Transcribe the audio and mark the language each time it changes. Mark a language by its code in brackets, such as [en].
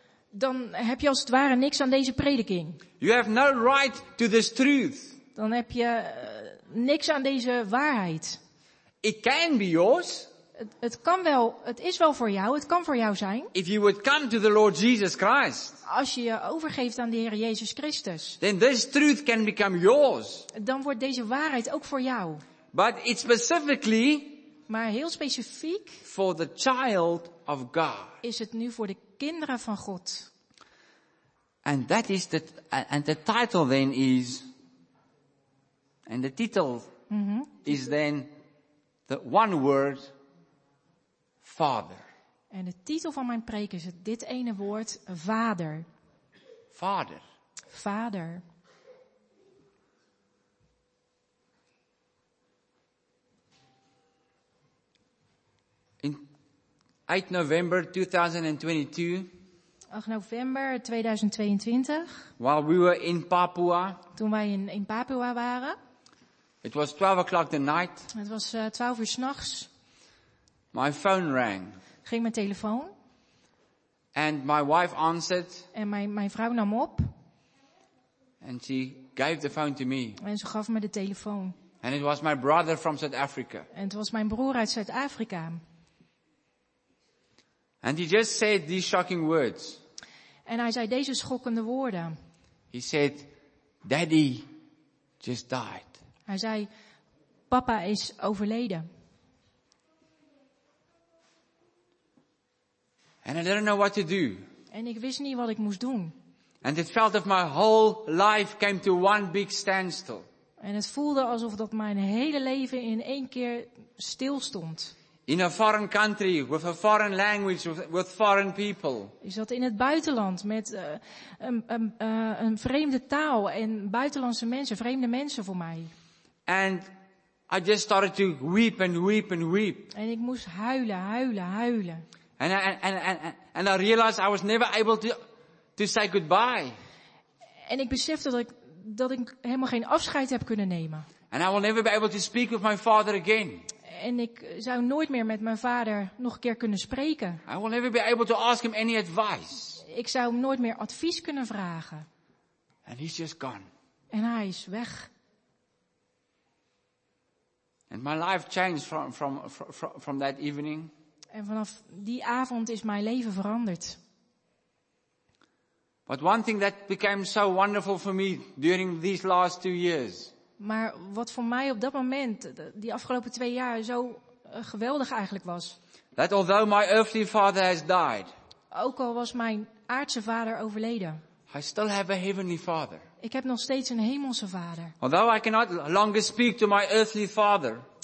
[nl] Dan heb je als het ware niks aan deze prediking. [en] You have no right to this truth. [nl] Dan heb je niks aan deze waarheid. [en] It can be yours. [nl] Het kan wel, het is wel voor jou, het kan voor jou zijn. [en] If you would come to the Lord Jesus Christ. [nl] Als je je overgeeft aan de Heer Jezus Christus. [en] Then this truth can become yours. [nl] Dan wordt deze waarheid ook voor jou. [en] But it's specifically. [nl] Maar heel specifiek. [en] For the child of God. [nl] Is het nu voor de kinderen van God. [en] And that is the title then is. And the title is then the one word. Father. [nl] En de titel van mijn preek is het dit ene woord, Vader. Vader. Vader. [en] In 8 november 2022. [nl] 8 november 2022. [en] While we were in Papua. [nl] Toen wij in Papua waren. [en] It was 12 o'clock the night. [nl] Het was 12 uur 's nachts. [en] My phone rang. [nl] Ging mijn telefoon. [en] And my wife answered. [nl] En mijn vrouw nam op. [en] And she gave the phone to me. [nl] En ze gaf me de telefoon. [en] And it was my brother from South Africa. [nl] En het was mijn broer uit Zuid-Afrika. [en] And he just said these shocking words. [nl] En hij zei deze schokkende woorden. [en] He said, Daddy just died. [nl] Hij zei, papa is overleden. [en] And I didn't know what to do. [nl] En ik wist niet wat ik moest doen. [en] And it felt like my whole life came to one big standstill. [nl] En het voelde alsof dat mijn hele leven in één keer stil stond. [en] In a foreign country, with a foreign language, with foreign people. [nl] Ik zat in het buitenland met een vreemde taal en buitenlandse mensen, vreemde mensen voor mij. [en] And I just started to weep and weep and weep. [nl] En ik moest huilen, huilen, huilen. [en] And I realized I was never able to say goodbye. [nl] En ik besefte dat ik helemaal geen afscheid heb kunnen nemen. [en] And I will never be able to speak with my father again. [nl] En ik zou nooit meer met mijn vader nog een keer kunnen spreken. [en] I will never be able to ask him any advice. [nl] Ik zou hem nooit meer advies kunnen vragen. [en] And he's just gone. [nl] En hij is weg. [en] And my life changed from that evening. [nl] En vanaf die avond is mijn leven veranderd. [en] But one thing that became so wonderful for me during these last 2 years. [nl] Maar wat voor mij op dat moment, die afgelopen 2 jaar, zo geweldig eigenlijk was. [en] That although my earthly father has died. [nl] Ook al was mijn aardse vader overleden. [en] I still have a heavenly father. [nl] Ik heb nog steeds een hemelse vader. [en] Although I cannot longer speak to my earthly father.